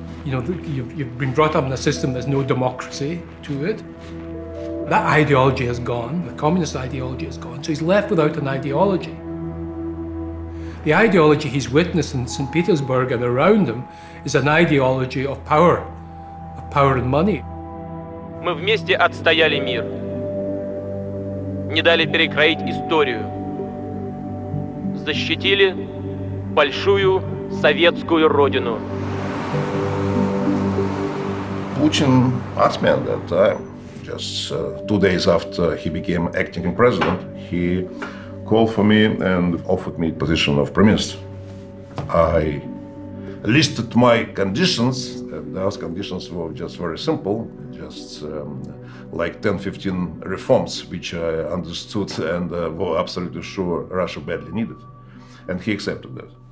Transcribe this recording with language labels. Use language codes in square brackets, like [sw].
[en] You know, you've been brought up in a system that's no democracy to it. That ideology has gone, the communist ideology has gone, so he's left without an ideology. The ideology he's witnessed in St. Petersburg and around him is an ideology of power and money. [ru] Мы вместе отстояли мир, не дали перекроить историю, защитили большую советскую родину. [en] Putin asked me at that time, just 2 days after he became acting president, he called for me and offered me the position of prime minister. I listed my conditions. Those conditions were just very simple, just like 10-15 reforms, which I understood and were absolutely sure Russia badly needed. And he accepted that.